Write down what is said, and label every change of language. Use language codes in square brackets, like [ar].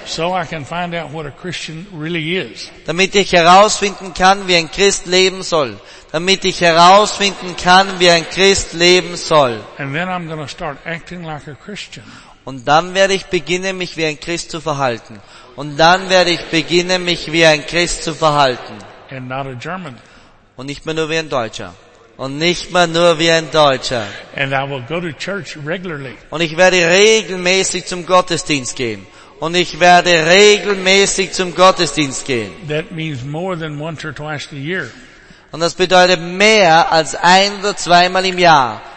[en] So I can find out what a Christian really is. [de] Damit ich herausfinden kann, wie ein Christ leben soll. [en] And then I'm going to start acting like a Christian. [de] Und dann werde ich beginnen, mich wie ein Christ zu verhalten. [en] And not a German. [de] Und nicht mehr nur wie ein Deutscher. [en] And I will go to church regularly. [de] Und ich werde regelmäßig zum Gottesdienst gehen. [en] That means more than once or twice a year. [de] Und das bedeutet mehr als ein oder zweimal im Jahr.